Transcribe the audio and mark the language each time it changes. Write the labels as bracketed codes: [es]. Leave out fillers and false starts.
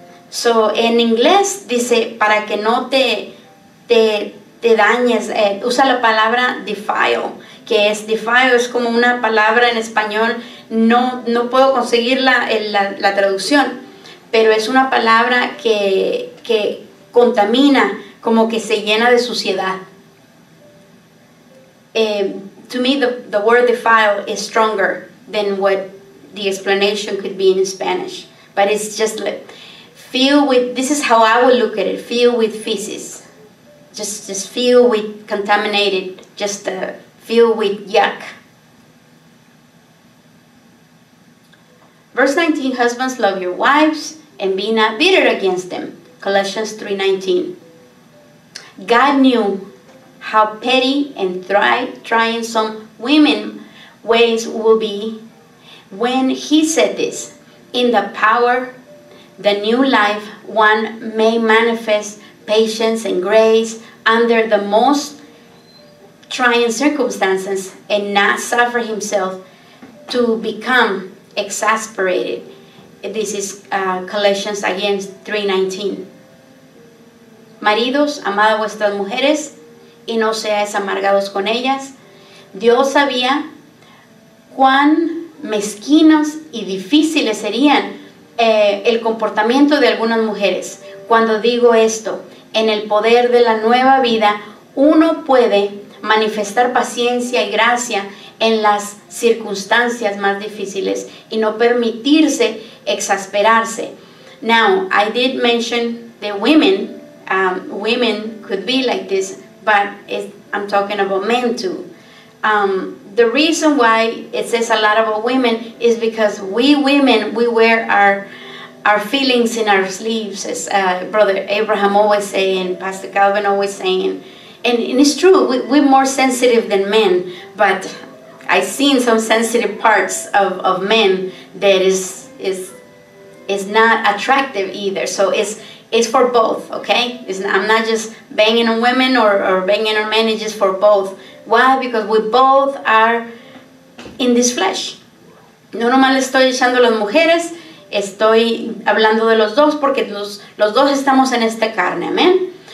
[es] So, en inglés dice, para que no te dañes, usa la palabra defile, que es defile, es como una palabra en español, no puedo conseguir la traducción, pero es una palabra que contamina, como que se llena de suciedad. [en] To me, the word defile is stronger than what the explanation could be in Spanish, but it's just like, this is how I would look at it, filled with feces. Just filled with contaminated, filled with yuck. Verse 19, husbands, love your wives and be not bitter against them. Colossians 3:19. God knew how petty and trying some women ways will be when he said this, in the power the new life one may manifest patience and grace under the most trying circumstances and not suffer himself to become exasperated. This is Colossians again 3:19. [es] Maridos, amad a vuestras mujeres y no seáis amargados con ellas. Dios sabía cuán mezquinos y difíciles serían el comportamiento de algunas mujeres. Cuando digo esto, en el poder de la nueva vida, uno puede manifestar paciencia y gracia en las circunstancias más difíciles y no permitirse exasperarse. [en] Now, I did mention the women. Women could be like this, but I'm talking about men too. The reason why it says a lot about women is because we women, we wear our feelings in our sleeves, as Brother Abraham always saying, Pastor Calvin always saying. And it's true, we're more sensitive than men, but I've seen some sensitive parts of men that is not attractive either. So it's for both, okay? I'm not just banging on women or banging on men, it's just for both. Why? Because we both are in this flesh. [es] No nomás le estoy echando a las mujeres, estoy hablando de los dos porque los dos estamos en esta carne, amen?